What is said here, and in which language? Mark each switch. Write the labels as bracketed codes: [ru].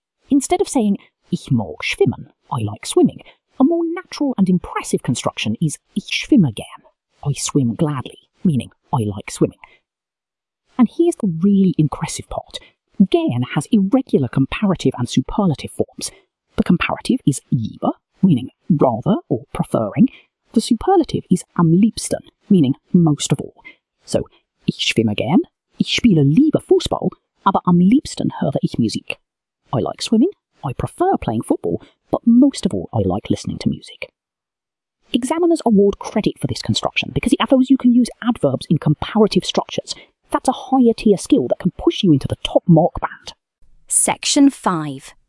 [en] Instead of saying, [de] ich mag schwimmen, [en] I like swimming, a more natural and impressive construction is [de] ich schwimme gern, [en] I swim gladly, meaning I like swimming. And here's the really impressive part. Gern has irregular comparative and superlative forms. The comparative is lieber, meaning rather or preferring. The superlative is am liebsten, meaning most of all. [de] So, ich schwimme gern, ich spiele lieber Fußball, aber am liebsten höre ich Musik. [en] I like swimming, I prefer playing football, but most of all I like listening to music. Examiners award credit for this construction because it shows you can use adverbs in comparative structures. That's a higher tier skill that can push you into the top mark band. Section 5.